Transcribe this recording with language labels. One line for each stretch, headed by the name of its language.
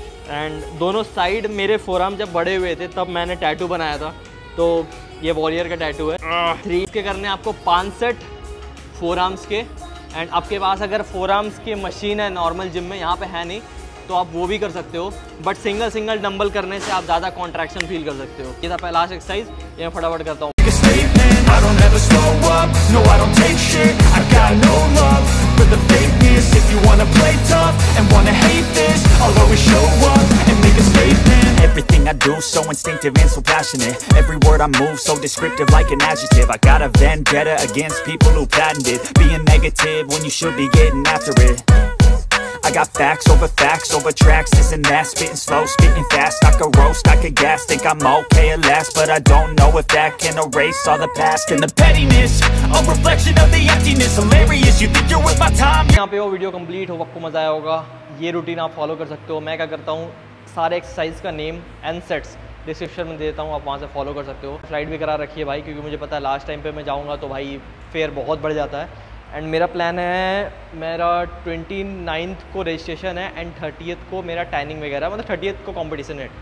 Hindi: And दोनों side मेरे forearm जब बड़े हुए थे तब मैंने टैटू बनाया था, तो ये वॉरियर का टैटू है। 3 के करने आपको 5 सेट फोरआर्म्स के। एंड आपके पास अगर फोरआर्म्स की मशीन है नॉर्मल जिम में, यहाँ पे है नहीं, तो आप वो भी कर सकते हो, बट सिंगल सिंगल डंबल करने से आप ज़्यादा कॉन्ट्रैक्शन फील कर सकते हो। ये था पहला एक्सरसाइज, ये मैं फटाफट करता हूँ।
English: I don't ever slow up, no I don't take shit, I got no love for the fakeness. this. If you wanna play tough and wanna hate this, I'll always show up and make a statement. Everything I do, so instinctive and so passionate. Every word I move, so descriptive like an adjective. I got a vendetta against people who patented being negative when you should be getting after it. I got facts over tracks, this and that. Spitting slow, spitting fast. I could roast, I could gas. Think I'm okay at last, but I don't know if that can erase all the past. And the pettiness, a reflection of the emptiness. Hilarious, you think you're worth my time.
Hindi: यहाँ पे वो video complete हो, आपको मजा आया होगा। ये routine आप फॉलो कर सकते हो। मैं क्या करता हूँ, सारे एक्सरसाइज का नेम एंड सेट्स डिस्क्रिप्शन में देता हूँ, आप वहाँ से फॉलो कर सकते हो। फ्लाइट भी करा रखी है भाई, क्योंकि मुझे पता है लास्ट टाइम पे मैं जाऊँगा तो भाई फेयर बहुत बढ़ जाता है। एंड मेरा प्लान है, मेरा 29th को रजिस्ट्रेशन है एंड 30th को मेरा टैनिंग वगैरह, मतलब 30th को कंपटीशन है।